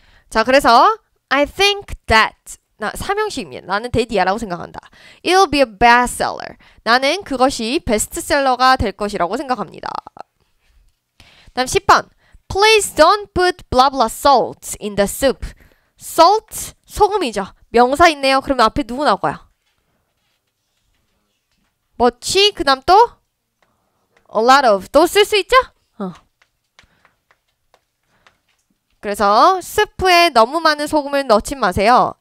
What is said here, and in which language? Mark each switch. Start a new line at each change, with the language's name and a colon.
Korean: 자, 그래서
English: I think that
Korean: 나 삼형식입니다. 나는 that이야라고 생각한다.
English: It'll be a bestseller.
Korean: 나는 그것이 베스트셀러가 될 것이라고 생각합니다. 다음 10번
English: Please don't put blah blah salt in the soup.
Korean: Salt, 소금이죠. 명사 있네요. 그러면 앞에 누구 나올 거야? 멋지, 그 다음 또 A lot of, 또 쓸 수 있죠? 그래서 수프에 너무 많은 소금을 넣지 마세요.